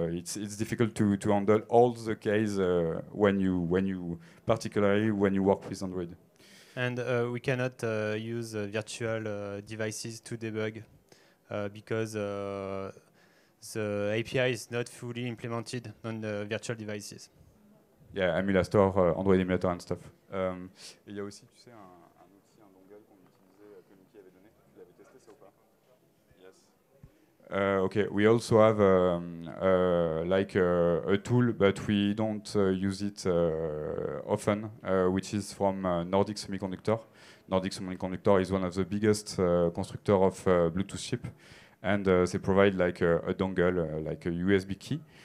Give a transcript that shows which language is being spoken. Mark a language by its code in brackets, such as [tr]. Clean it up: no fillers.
[en] It's difficult to handle all the case when you work with Android. And we cannot use virtual devices to debug because the API is not fully implemented on the virtual devices. Yeah, Emulator Store, Android Emulator and stuff. [fr] Il y a aussi, tu sais, un outil, un dongle qu'on utilisait, que Mickey avait donné. Tu l'avais testé, ça ou pas? [en] Yes. Okay, we also have a tool, but we don't use it often, which is from Nordic Semiconductor. Nordic Semiconductor is one of the biggest constructors of Bluetooth chip, and they provide like a dongle, like a USB key.